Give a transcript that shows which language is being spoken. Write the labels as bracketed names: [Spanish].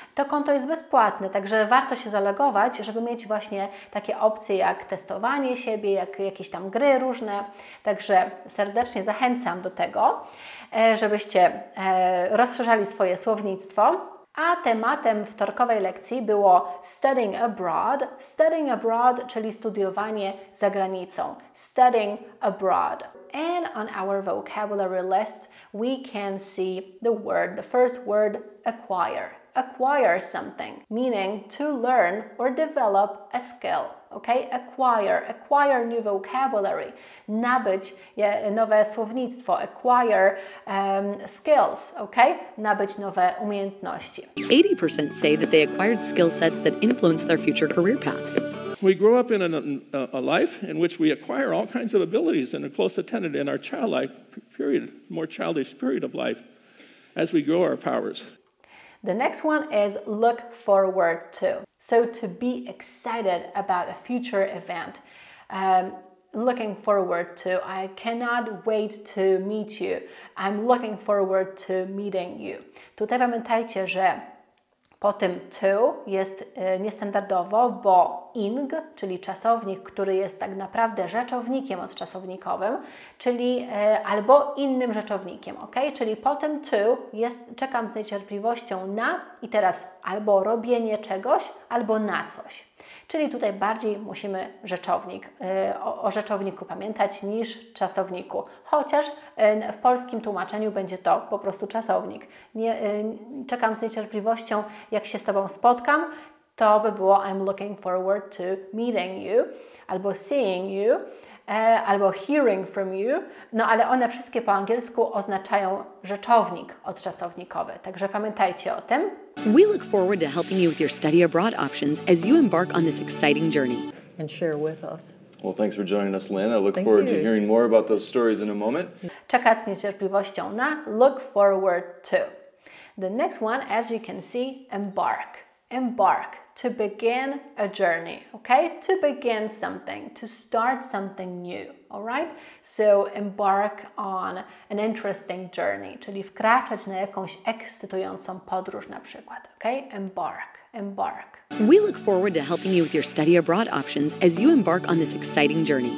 [Polish] To konto jest bezpłatne, także warto się zalogować, żeby mieć właśnie takie opcje jak testowanie siebie, jak jakieś tam gry różne. Także serdecznie zachęcam do tego, żebyście rozszerzali swoje słownictwo. A tematem wtorkowej lekcji było studying abroad. Studying abroad, czyli studiowanie za granicą. [English] Studying abroad. And on our vocabulary list, we can see the word, the first word, acquire. Acquire something, meaning to learn or develop a skill. Okay, acquire new vocabulary, [Polish] nabyć nowe słownictwo, [English] acquire skills, okay, [Polish] nabyć nowe umiejętności. [English] 80% say that they acquired skill sets that influence their future career paths. We grow up in a life in which we acquire all kinds of abilities and are close attended in our childlike period, more childish period of life, as we grow our powers. The next one is look forward to. So to be excited about a future event, looking forward to, I cannot wait to meet you, I'm looking forward to meeting you. [Polish] Tutaj pamiętajcie, że po tym to jest niestandardowo, bo ing, czyli czasownik, który jest tak naprawdę rzeczownikiem odczasownikowym, czyli albo innym rzeczownikiem, ok? Czyli po tym to jest, czekam z niecierpliwością na i teraz albo robienie czegoś, albo na coś. Czyli tutaj bardziej musimy rzeczownik, o rzeczowniku pamiętać niż czasowniku. Chociaż w polskim tłumaczeniu będzie to po prostu czasownik. Czekam z niecierpliwością, jak się z Tobą spotkam, to by było [English] I'm looking forward to meeting you, [Polish] albo [English] seeing you, [Polish] albo [English] hearing from you. [Polish] No ale one wszystkie po angielsku oznaczają rzeczownik odczasownikowy. Także pamiętajcie o tym. [English] We look forward to helping you with your study abroad options as you embark on this exciting journey. And share with us. Well, thanks for joining us, Lynn. I look forward to hearing more about those stories in a moment. [Polish] Czekać z niecierpliwością na look forward to. [English] The next one, as you can see, embark. Embark, to begin a journey, okay? To begin something, to start something new, all right? So embark on an interesting journey, [Polish] czyli wkraczać na jakąś ekscytującą podróż na przykład, [English] okay? Embark. We look forward to helping you with your study abroad options as you embark on this exciting journey.